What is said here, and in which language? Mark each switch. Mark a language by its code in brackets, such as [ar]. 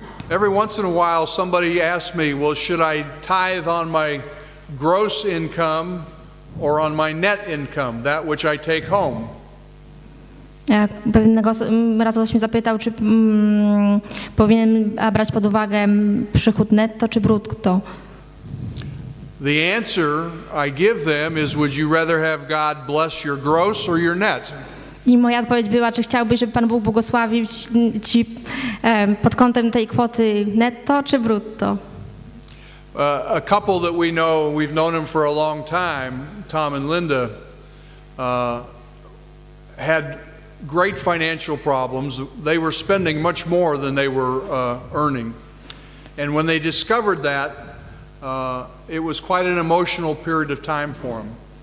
[en] Every once in a while somebody asks me, well, should I tithe on my gross income or on my net income, that which I take home? [pl] Pewnego razu ktoś mnie zapytał, czy powinien brać pod uwagę przychód netto czy brutto. [en] The answer I give them is, would you rather have God bless your gross or your net? [pl] I moja odpowiedź była, czy chciałbyś, żeby Pan Bóg błogosławił ci pod kątem tej kwoty netto czy brutto? [en] A couple that we've known them for a long time, Tom and Linda, had great financial problems. They were spending much more than they were earning. And when they discovered that, it was quite an emotional period of time for them.